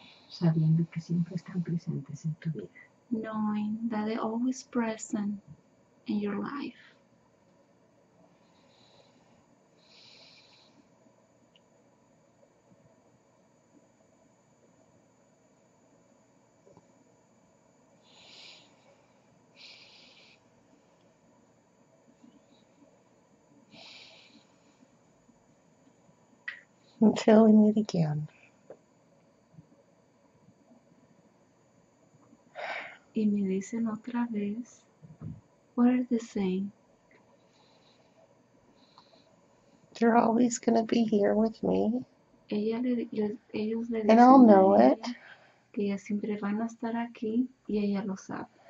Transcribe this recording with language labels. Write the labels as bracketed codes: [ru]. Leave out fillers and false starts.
[es] Sabiendo que siempre están presentes en tu vida. [en] Knowing that they're always present in your life. Until we meet again. [es] Y me dicen otra vez, [en] what are they saying? They're always going to be here with me. [es] Ella ellos le dicen, [en] and I'll know [es] ella, [en] it. [es] Que ellas siempre van a estar aquí y ella lo sabe.